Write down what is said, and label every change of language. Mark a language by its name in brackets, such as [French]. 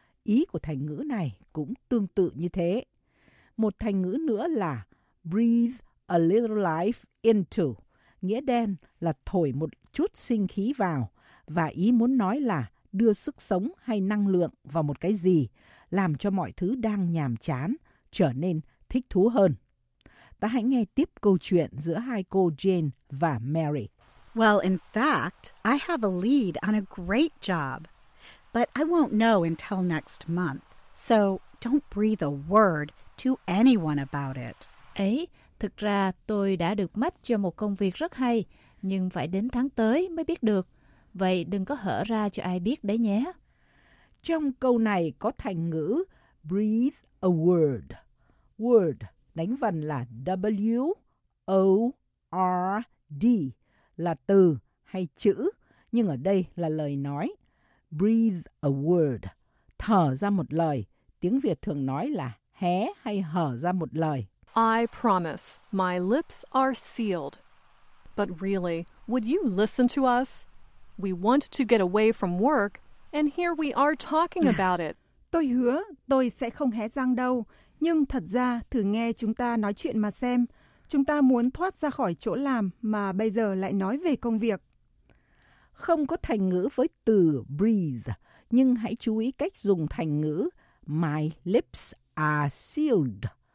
[Vietnamese] Ý của thành ngữ này cũng tương tự như thế. Một thành ngữ nữa là [English] breathe a little life into, [Vietnamese] nghĩa đen là thổi một chút sinh khí vào, và ý muốn nói là đưa sức sống hay năng lượng vào một cái gì, làm cho mọi thứ đang nhàm chán trở nên thích thú hơn. Ta hãy nghe tiếp câu chuyện giữa hai cô Jane và Mary. [English] Well, in fact, I have a lead on a great job, but I won't know until next month, so don't breathe a word to anyone about it. [Vietnamese] Ấy, thực ra tôi đã được match cho một công việc rất hay, nhưng phải đến tháng tới mới biết được. Vậy đừng có hở ra cho ai biết đấy nhé. Trong câu này có thành ngữ [English] breathe a word. [Vietnamese] Word, đánh vần là W-O-R-D, là từ hay chữ, nhưng ở đây là lời nói. [English] Breathe a word, [Vietnamese] thở ra một lời, tiếng Việt thường nói là hé hay hở ra một lời. [English] I promise my lips are sealed. But really, would you listen to us? We want to get away from work, and here we are talking about it. [Vietnamese] Tôi hứa tôi sẽ không hé răng đâu, nhưng thật ra thử nghe chúng ta nói chuyện mà xem. Chúng ta muốn thoát ra khỏi chỗ làm mà bây giờ lại nói về công việc. Không có thành ngữ với từ [English] breathe, [Vietnamese] nhưng hãy chú ý cách dùng thành ngữ [English] my lips are sealed.